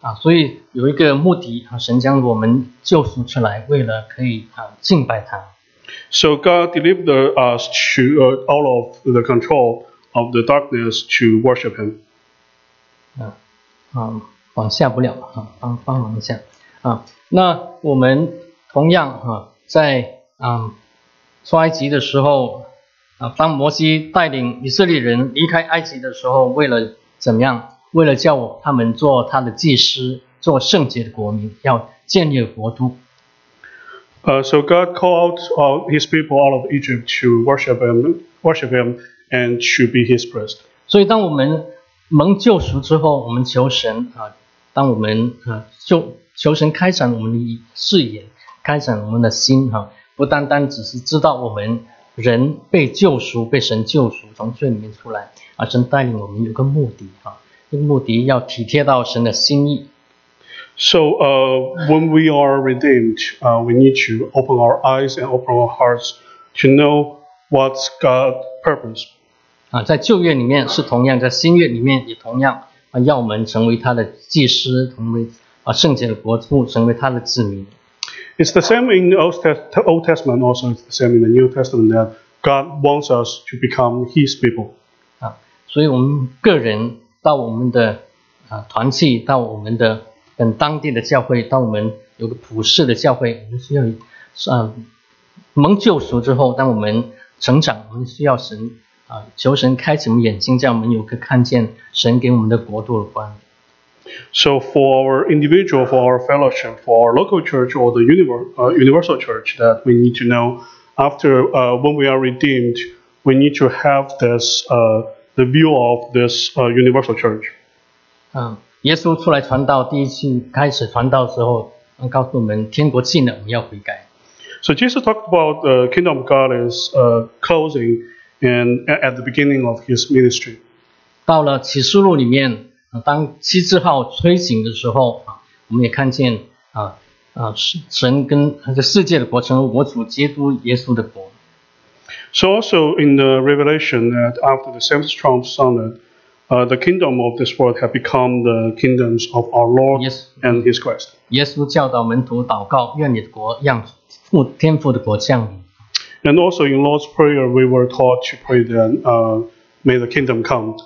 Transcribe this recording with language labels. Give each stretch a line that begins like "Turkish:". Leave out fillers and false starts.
Chinese: 所以有一个目的，神将我们救赎出来，为了可以敬拜他。
English: So God delivered us to out of the control of the darkness to worship him.
Chinese: 往下不了啊，帮忙一下啊。那我们同样啊，在出埃及的时候啊，当摩西带领以色列人离开埃及的时候，为了怎么样？为了叫他们做他的祭司，做圣洁的国民，要建立国都。
English: So God called his people out of Egypt to worship him, and to be his priest.
Chinese: 所以，当我们蒙救赎之后，我们求神啊。当我们求神开展我们的视野，开展我们的心哈，不单单只是知道我们人被救赎，被神救赎从罪里面出来，而神带领我们有个目的哈，这个目的要体贴到神的心意。
English: So when we are redeemed, we need to open our eyes and open our hearts to know what's God's purpose.
Chinese: 在旧约里面是同样，在新约里面也同样。要我们成为他的祭司，成为圣洁的国度，成为他的子民。
English: It's the same in the Old Testament, also it's the same in the New Testament that God wants us to become His people.
Chinese: 所以我们个人到我们的团契，到我们的当地的教会，到我们有个普世的教会，我们需要蒙救赎之后，当我们成长，我们需要神。求神开启我们眼睛，叫我们有个看见神给我们的国度的观。
English: So for our individual, for our fellowship, for our local church or the universal church, that we need to know after when we are redeemed, we need to have this, the view of this universal church.
Chinese: 耶稣出来传道，第一次开始传道的时候，告诉我们天国近了，我们要悔改。
English: So Jesus talked about the kingdom of God is closing and at the beginning of his ministry.
Chinese: 到了启示录里面，当七字号吹响的时候，我们也看见神跟世界的国成为我主基督耶稣的国。
English: So also in the Revelation that after the seventh trump sounded, the kingdom of this world had become the kingdoms of our Lord and His Christ.
Chinese: 耶稣教导门徒祷告，愿你的国降临，天父的国降临。
English: And also in Lord's Prayer, we were taught to pray that, may the kingdom come.